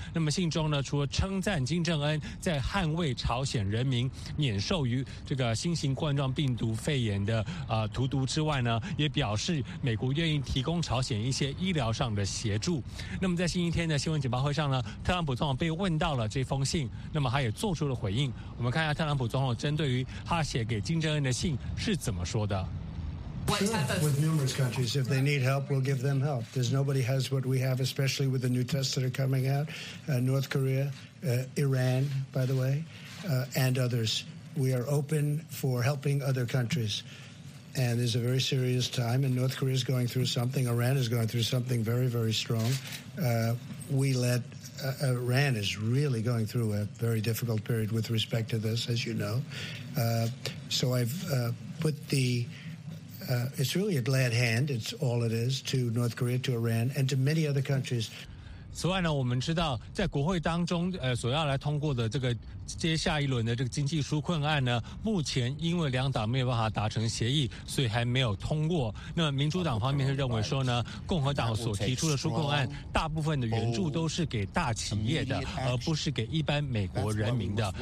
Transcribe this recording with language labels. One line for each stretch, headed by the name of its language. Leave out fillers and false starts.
Chinese: 那么信中呢，除了称赞金正恩在捍卫朝鲜人民免受于这个新型冠状病毒肺炎的荼毒之外呢，也表示美国愿意提供朝鲜一些医疗上的协助。那么在星期天的新闻简报会上呢，特朗普总统被问到了这封信，那么他也做出了回应。我们看一下特朗普总统针对于他写给金正恩的信是怎么说的。
English: Sure. With numerous countries, if they need help, we'll give them help. There's nobody has what we have, especially with the new tests that are coming out. North Korea, Iran, by the way, and others. We are open for helping other countries. And there's a very serious time, and North Korea is going through something. Iran is going through something very, very strong. Iran is really going through a very difficult period with respect to this, as you know. So I've put the... It's really a glad hand, it's all it is, to North Korea, to Iran, and to many other countries.
Chinese: 此外呢，我们知道在国会当中所要来通过的这个接下一轮的这个经济纾困案呢，目前因为两党没有办法达成协议，所以还没有通过。那么民主党方面是认为说呢，共和党所提出的纾困案大部分的援助都是给大企业的，而不是给一般美国人民的。